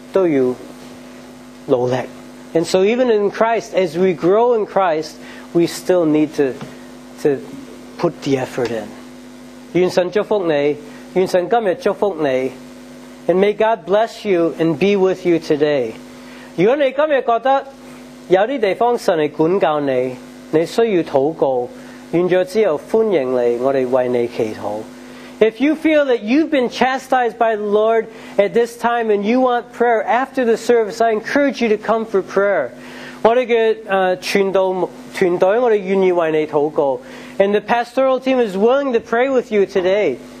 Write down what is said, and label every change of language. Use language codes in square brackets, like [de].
[zh] 所以我们主里面我们成长都要付出，都要努力。 [en] And so even in Christ, as we grow in Christ, we still need to put the effort in. [zh] 愿神祝福你，愿神今日祝福你。 [en] And may God bless you and be with you today. [zh] 如果你今日觉得有些地方神是管教你，你需要祷告。 [en] If you feel that you've been chastised by the Lord at this time and you want prayer after the service, I encourage you to come for prayer. [zh] 我们的团队，我们愿意为你祷告。 [en] And the pastoral team is willing to pray with you today.